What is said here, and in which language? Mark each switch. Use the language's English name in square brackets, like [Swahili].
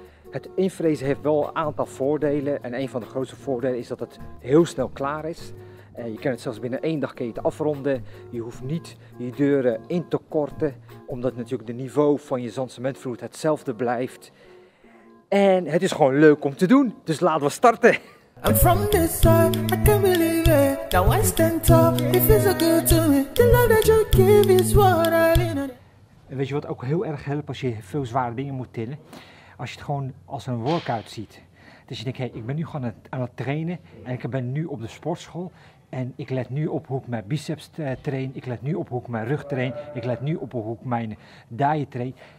[Dutch] Het infrezen heeft wel een aantal voordelen en een van de grootste voordelen is dat het heel snel klaar is. Je kan het zelfs binnen één dag kan je het afronden. Je hoeft niet je deuren in te korten, omdat natuurlijk de niveau van je zandcementvloer hetzelfde blijft. En het is gewoon leuk om te doen, dus laten we starten. [English] I'm from this side, I can't believe it. Now I stand tall, it feels so good to me. The love that you give is what I need. [Dutch] En weet je wat ook heel erg helpt als je veel zware dingen moet tillen? Als je het gewoon als een workout ziet. Dus je denkt, hey, ik ben nu gewoon aan het trainen en ik ben nu op de sportschool. En ik let nu op hoe ik mijn biceps train, ik let nu op hoe ik mijn rug train, ik let nu op hoe ik mijn dijen train.